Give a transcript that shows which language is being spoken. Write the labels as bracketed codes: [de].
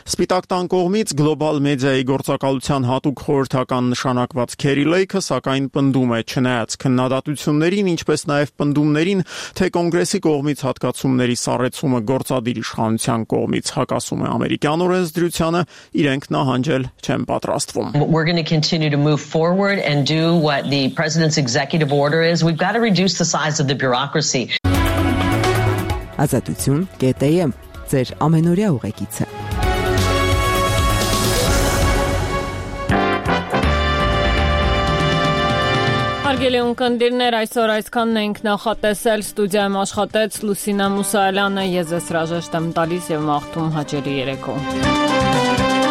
[hy] Սպիտակ տան կողմից գլոբալ մեդիայի գործակալության հատուկ խորհրդական նշանակված Քերի Լեյքը, սակայն, պնդում է, չնայած քննադատություններին, ինչպես նաև պնդումներին, թե կոնգրեսի կողմից հատկացումների սառեցումը գործադիր իշխանության կողմից հակասում է ամերիկյան օրենսդրությանը, իրենք նահանջել չեն պատրաստվում։ [en] We're going to continue to move forward and do what the president's executive order is. We've got to reduce the size of the bureaucracy. [hy] Ազատություն GTM, ձեր ամենօրյա ուղեկիցը։ Արգելյուն կնդիրներ, այսօր այսքանն ենք նախատեսել, ստուդիայում աշխատեց Լուսինա Մուսալյանը, ես հրաժեշտ եմ տալիս և մաղթում հաջորդ երեկո։